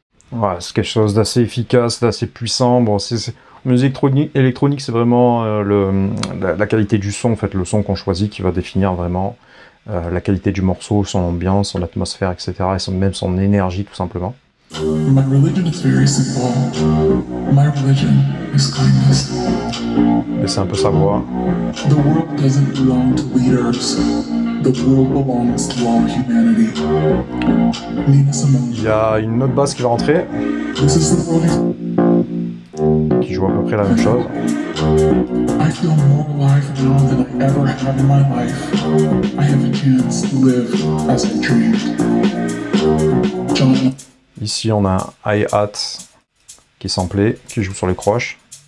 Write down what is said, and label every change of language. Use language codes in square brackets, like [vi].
[fr] Voilà, c'est quelque chose d'assez efficace, d'assez puissant. Bon, c'est musique électronique, c'est vraiment la qualité du son, en fait, le son qu'on choisit qui va définir vraiment la qualité du morceau, son ambiance, son atmosphère, etc. et même son énergie, tout simplement. [en] My religion is very simple. My religion is kindness. [fr] Mais c'est un peu sa voix. [en] The world doesn't belong to leaders. The world belongs to all humanity. Nina Simone. [fr] Il y a une note basse qui va rentrer. [en] This is the world. [fr] Qui joue à peu près la même chose. [en] I feel more alive now than I ever have in my life. I have a chance to live as I dreamed. John. [fr] Ici, on a un hi-hat qui est samplé, qui joue sur les croches.